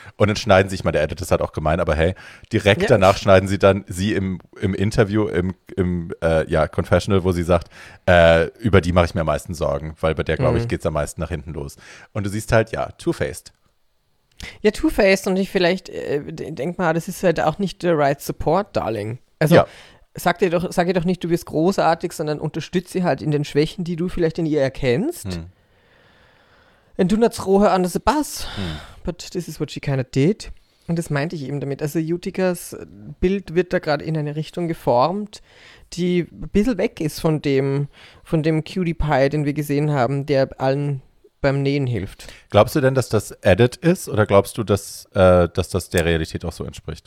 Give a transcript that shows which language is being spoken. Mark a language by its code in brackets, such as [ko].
[de] Und dann schneiden sie, ich meine, der Editor hat auch gemeint, aber hey, direkt danach schneiden sie dann sie im Interview, im Confessional, wo sie sagt, über die mache ich mir am meisten Sorgen, weil bei der, glaube ich, geht es am meisten nach hinten los. Und du siehst halt, ja, [en] two-faced. [de] Ja, [en] two-faced [de] und ich vielleicht, denk mal, das ist halt auch nicht [en] the right support, darling. [de] Also, ja. Sag ihr doch nicht, du wirst großartig, sondern unterstütze sie halt in den Schwächen, die du vielleicht in ihr erkennst. Hm. [en] And do not throw her under the bus. Hm. But this is what she kind of did. [de] Und das meinte ich eben damit. Also Jutikas Bild wird da gerade in eine Richtung geformt, die ein bisschen weg ist von dem Cutie Pie, den wir gesehen haben, der allen beim Nähen hilft. Glaubst du denn, dass das Edit ist oder glaubst du, dass das der Realität auch so entspricht?